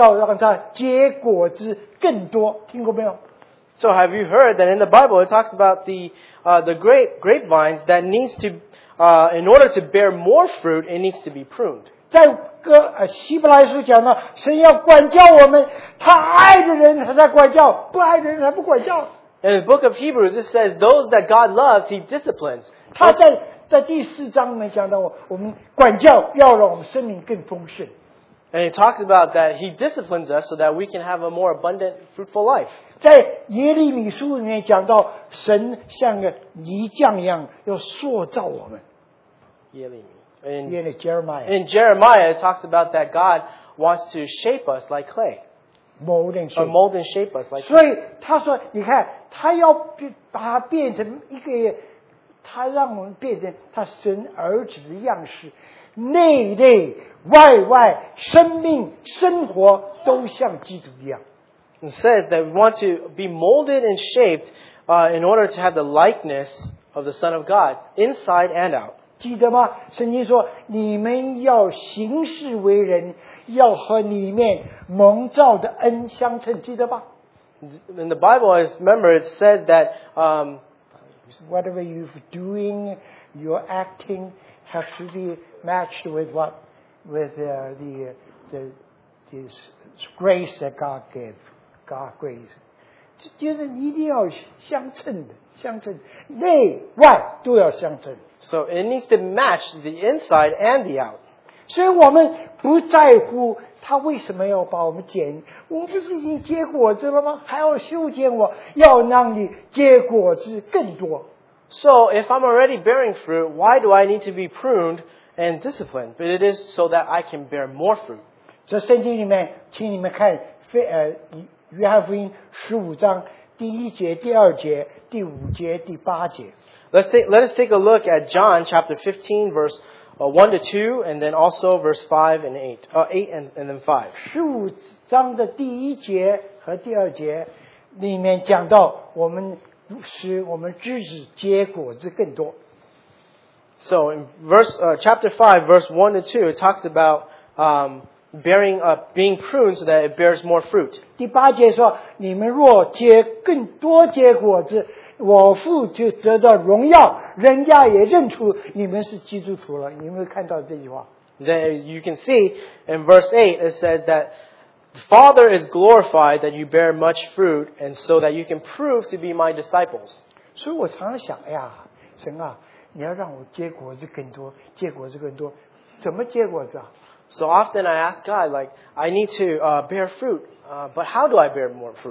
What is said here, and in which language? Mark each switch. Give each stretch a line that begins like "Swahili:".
Chinese: 圣经说一个葡萄树要修剪，不结果子它剪掉，结果子它要修剪它，为了要让它结果子更多，听过没有？
English: So have you heard that in the Bible it talks about the grapevines that needs to, in order to bear more fruit, it needs to be pruned.
Chinese: 在希伯来书讲到，神要管教我们，他爱的人他在管教，不爱的人他不管教。
English: In the book of Hebrews, it says those that God loves, He disciplines.
Chinese: 他在第四章里面讲到，我们管教要让我们生命更丰盛。
English: And he talks about that he disciplines us so that we can have a more abundant, fruitful life.
Chinese: 在耶利米书里面讲到神像个泥匠一样要塑造我们。耶利米。
English: Jeremiah. In Jeremiah, it talks about that God wants to shape us like clay. Mold and shape us like clay.
Chinese: 所以他说你看他要把它变成一个他让我们变成他神儿子的样式。内内外外生命生活都像基督一样。
English: It says that we want to be molded and shaped, in order to have the likeness of the Son of God inside and out.
Chinese: 记得吗？圣经说，你们要行事为人，要和里面蒙召的恩相称。记得吧
English: ？In the Bible, as remember, it says that whatever you're doing, your acting has to be matched with what with the grace that God gave. God grace.
Chinese: 就是一定要相称的，相称，内外都要相称。
English: So it needs to match the inside and the out.
Chinese: 所以我们不在乎他为什么要把我们剪，我们不是已经结果子了吗？还要修剪我，要让你结果子更多。
English: So if I'm already bearing fruit, why do I need to be pruned and disciplined? But it is so that I can bear more fruit.
Chinese: 这圣经里面，请你们看，约翰福音十五章第一节、第二节、第五节、第八节。
English: Let us take a look at John chapter 15, verse 1 to 2, and then also verse 5 and 8, 8 and then 5.
Chinese: 十五章的第一节和第二节里面讲到，我们使我们枝子结果子更多。
English: So in chapter 5, verse 1 to 2, it talks about bearing up, being pruned so that it bears more fruit.
Chinese: 第八节说，你们若结更多结果子，我父就得到荣耀，人家也认出你们是基督徒了。你们看到这句话？
English: Then you can see in verse 8, it says that the Father is glorified that you bear much fruit, and so that you can prove to be my disciples.
Chinese: 所以我常常想，哎呀，神啊，你要让我结果子更多，结果子更多，怎么结果子啊？
English: So often I ask God, like, I need to bear fruit, but how do I bear more fruit?